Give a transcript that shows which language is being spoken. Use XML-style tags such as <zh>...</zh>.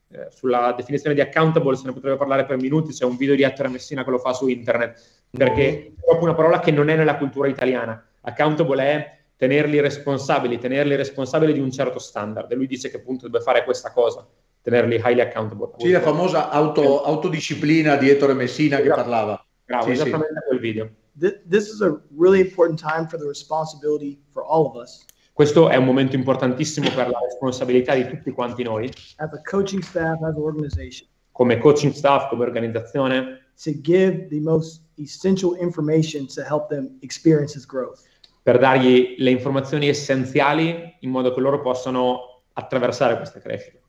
<it>Sulla definizione di accountable se ne potrebbe parlare per minuti, c'è un video di Ettore Messina che lo fa su internet, perché è proprio una parola che non è nella cultura italiana. Accountable è tenerli responsabili di un certo standard, e lui dice che appunto deve fare questa cosa, tenerli</it> <en>highly accountable.</en> <it>Sì, la famosa autodisciplina di Ettore Messina che parlava. Bravo, sì, esattamente sì. Quel video.</it> <en>This is a really important time for the responsibility for all of us.</en> <it>Questo è un momento importantissimo per la responsabilità di tutti quanti noi.</it> <en>As a coaching staff, as an organization.</en> <it>Come coaching staff, come organizzazione.</it> <en>To give the most essential information to help them experience his growth.</en> <it>Per dargli le informazioni essenziali in modo che loro possano attraversare questa crescita.</it>